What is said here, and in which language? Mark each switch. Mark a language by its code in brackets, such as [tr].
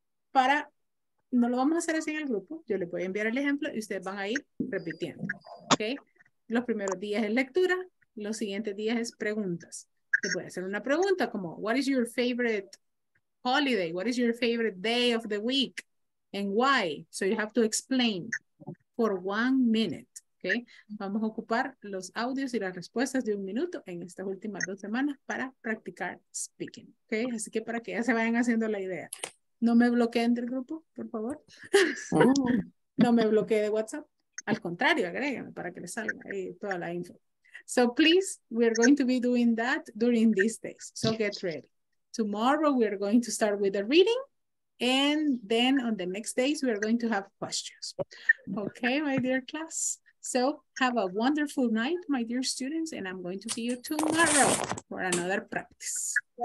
[es] Para, no lo vamos a hacer así en el grupo. Yo le voy a enviar el ejemplo y ustedes van a ir repitiendo, okay? Los primeros días es lectura, los siguientes días es preguntas. Te voy a hacer una pregunta como, [en] what is your favorite holiday? What is your favorite day of the week? And why? So you have to explain for 1 minute. Okay? [es] Vamos a ocupar los audios y las respuestas de un minuto en estas últimas dos semanas para practicar speaking. Okay? Así que para que ya se vayan haciendo la idea. No me bloqueen del grupo, por favor. No me bloqueen de WhatsApp. Al contrario, agréguenme para que les salga ahí toda la info. [en] So please, we are going to be doing that during these days. So get ready. Tomorrow we are going to start with the reading and then on the next days we are going to have questions. Okay, my dear class. So have a wonderful night, my dear students, and I'm going to see you tomorrow for another practice.